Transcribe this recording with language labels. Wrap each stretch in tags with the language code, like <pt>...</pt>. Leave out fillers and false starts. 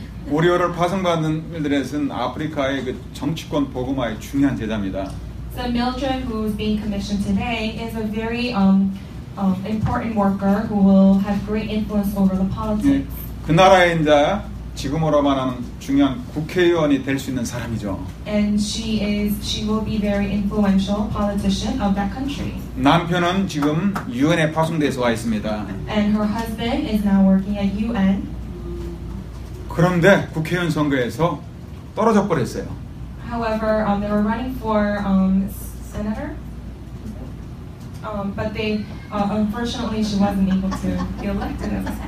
<ko>우리를 파송받는 밀드렛은 아프리카의 그 정치권 복음화의 중요한 제자입니다.</ko> <en>So Mildred, who is being commissioned today, is a very important worker who will have great influence over the politics.</en> <ko>네, 그 나라의 이제 지금으로 말하는 중요한 국회의원이 될 수 있는 사람이죠.</ko> <en>And she will be very influential politician of that country.</en> <ko>남편은 지금 UN에 파송돼서 와 있습니다.</ko> <en>And her husband is now working at UN.</en> <ko>그런데 국회의원 선거에서 떨어져 버렸어요.</ko> <en>However, they were running for senator. But they unfortunately she wasn't able to be elected.</en>